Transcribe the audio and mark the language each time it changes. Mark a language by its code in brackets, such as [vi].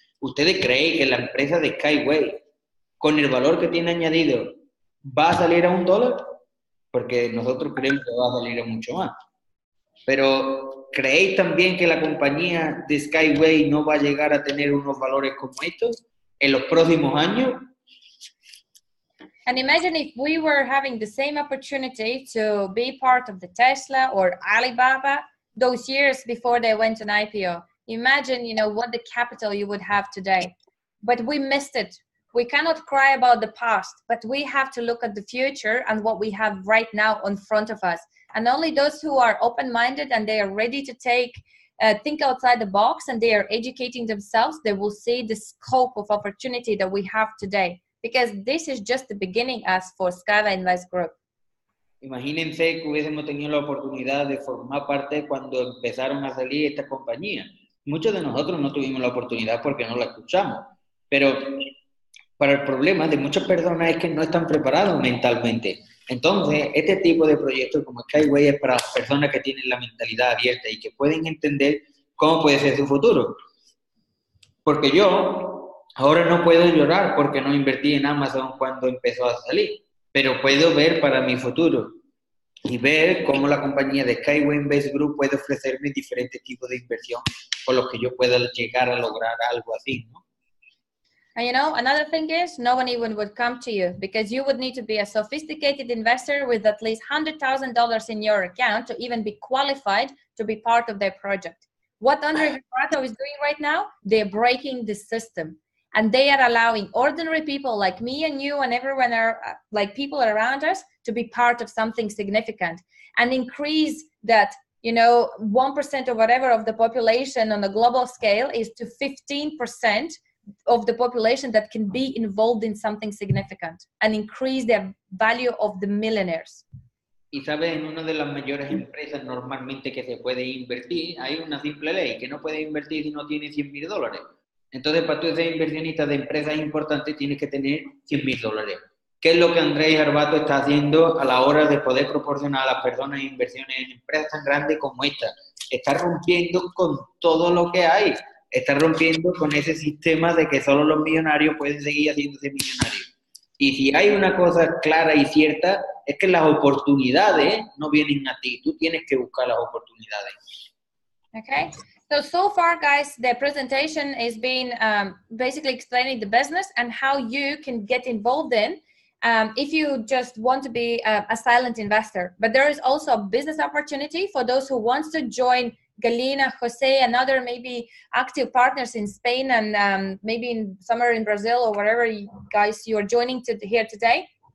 [es] ¿Ustedes creen que la empresa de SkyWay, con el valor que tiene añadido, va a salir a $1? Porque nosotros creemos que va a salir a mucho más. Pero, ¿creéis también que la compañía de SkyWay no va a llegar a tener unos valores como estos en los próximos años? [en] And imagine if we were having the same opportunity to be part of the Tesla or Alibaba those years before they went on IPO. Imagine, you know, what the capital you would have today. But we missed it. We cannot cry about the past, but we have to look at the future and what we have right now in front of us. And only those who are open-minded and they are ready to take, think outside the box and they are educating themselves, they will see the scope of opportunity that we have today. Because this is just the beginning as for SkyWay Invest Group. [es] Imagínense que hubiésemos tenido la oportunidad de formar parte cuando empezaron a salir estas compañías. Muchos de nosotros no tuvimos la oportunidad porque no la escuchamos. Pero para el problema de muchas personas es que no están preparados mentalmente. Entonces, este tipo de proyectos como SkyWay es para las personas que tienen la mentalidad abierta y que pueden entender cómo puede ser su futuro. Porque yo... ahora no puedo llorar porque no invertí en Amazon cuando empezó a salir, pero puedo ver para mi futuro y ver cómo la compañía de SkyWay Invest Group puede ofrecerme diferentes tipos de inversión con los que yo pueda llegar a lograr algo así, ¿no? [en] And you know, another thing is, no one even would come to you because you would need to be a sophisticated investor with at least $100,000 in your account to even be qualified to be part of their project. What Andre Gerardo is doing right now, they're breaking the system. And they are allowing ordinary people like me and you and everyone, are, like people around us, to be part of something significant and increase that, you know, 1% or whatever of the population on a global scale is to 15% of the population that can be involved in something significant and increase the value of the millionaires. [es] Y sabes, en una de las mayores empresas normalmente que se puede invertir, hay una simple ley, que no puede invertir si no tiene $100,000. Entonces, para tú ser inversionista de empresas importantes, tienes que tener $100,000. ¿Qué es lo que Andrés Arbato está haciendo a la hora de poder proporcionar a las personas inversiones en empresas tan grandes como esta? Está rompiendo con todo lo que hay. Está rompiendo con ese sistema de que solo los millonarios pueden seguir haciéndose millonarios. Y si hay una cosa clara y cierta, es que las oportunidades no vienen a ti. Tú tienes que buscar las oportunidades. [en] Okay. So far, guys, the presentation has been basically explaining the business and how you can get involved in if you just want to be a silent investor. But there is also a business opportunity for those who want to join Galina, Jose, and other maybe active partners in Spain and maybe in somewhere in Brazil or wherever you guys you are joining to here today.